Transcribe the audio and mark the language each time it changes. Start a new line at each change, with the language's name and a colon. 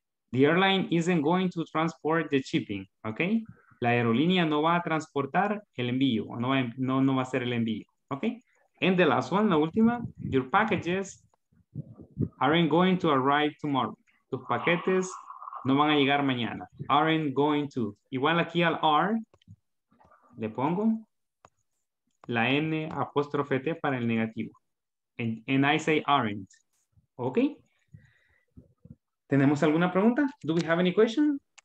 English: The airline isn't going to transport the shipping, okay?
Spanish: La aerolínea no va a transportar el envío, no va a ser el envío, okay?
English: And the last one,
Spanish: la última,
English: your packages aren't going to arrive tomorrow.
Spanish: Tus paquetes no van a llegar mañana.
English: Aren't going to.
Spanish: Igual aquí al are, le pongo la N apóstrofe T para el negativo.
English: And I say aren't, okay?
Spanish: ¿Tenemos alguna pregunta?
English: Do we have any question?